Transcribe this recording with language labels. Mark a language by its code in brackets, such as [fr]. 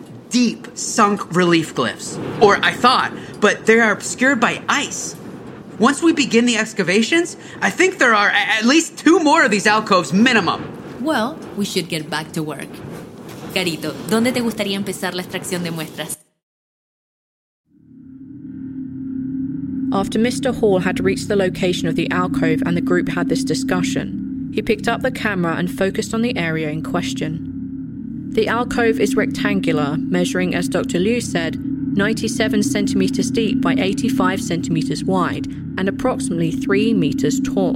[en] Deep, sunk relief glyphs. Or I thought, but they are obscured by ice. Once we begin the excavations, I think there are at least two more of these alcoves, minimum. Well, we should get back to work. [es] Carito, ¿dónde te gustaría empezar la extracción de muestras? [en] After Mr. Hall had reached the location of the alcove and the group had this discussion, he picked up the camera and focused on the area in question. The alcove is rectangular, measuring, as Dr. Liu said, 97 centimeters deep by 85 centimeters wide and approximately 3 meters tall.